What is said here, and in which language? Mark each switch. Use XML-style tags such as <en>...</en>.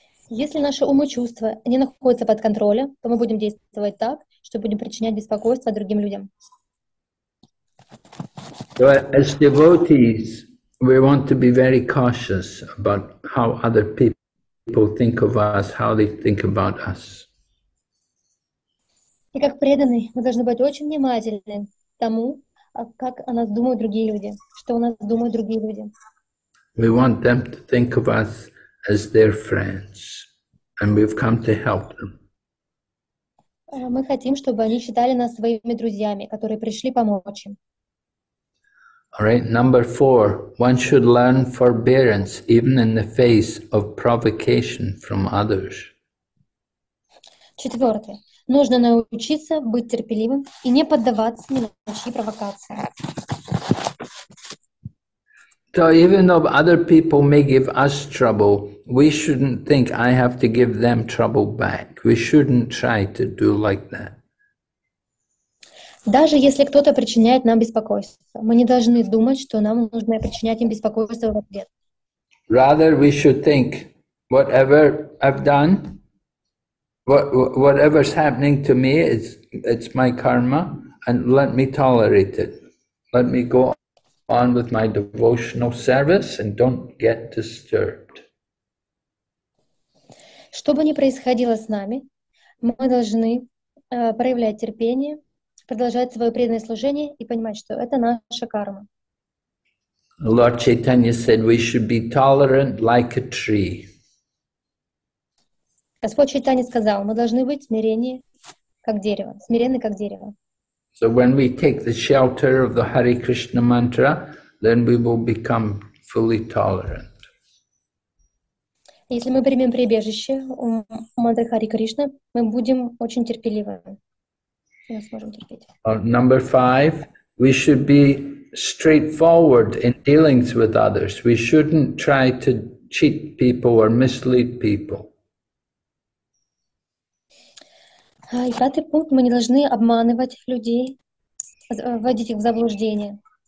<ru>Если наши умы и чувства не находятся под контролем, то мы будем действовать так, что будем причинять беспокойство другим людям.</ru> <en>So as devotees, we want to be very cautious about how other people think of us, how they think about us.</en> <ru>И как преданные, мы должны быть очень внимательны к тому, как о нас думают другие люди, что о нас думают другие люди.</ru> <en>We want them to think of us as their friends, and we've come to help them.</en> <ru>Мы хотим, чтобы они считали нас своими друзьями, которые пришли помочь им.</ru> <en>All right, number four. One should learn forbearance even in the face of provocation from others.</en> <ru>Четвертое. Нужно научиться быть терпеливым и не поддаваться ни на чьи провокации.</ru> <en>So even though other people may give us trouble, we shouldn't think I have to give them trouble back. We shouldn't try to do like that.</en> <ru>Даже если кто-то причиняет нам беспокойство, мы не должны думать, что нам нужно причинять им беспокойство в ответ.</ru> <en>Rather, we should think, whatever I've done, whatever's happening to me, it's my karma, and let me tolerate it. Let me go on with my devotional service and don't get disturbed.</en> <ru>Что бы ни происходило с нами, мы должны проявлять терпение, продолжать свое преданное служение и понимать, что это наша карма.</ru> <en>Lord Chaitanya said we should be tolerant like a tree.</en> <ru>Господь Чайтанья сказал, мы должны быть смиренны, как дерево. Смиренны, как дерево.</ru> <en>So when we take the shelter of the Hare Krishna mantra, then we will become fully tolerant.</en> <ru>Если мы примем прибежище у мантры Хари Кришна, мы будем очень терпеливы.</ru> <en>Number five, we should be straightforward in dealings with others. We shouldn't try to cheat people or mislead people.</en> <ru>И пятый пункт, мы не должны обманывать людей, вводить их в заблуждение.</ru>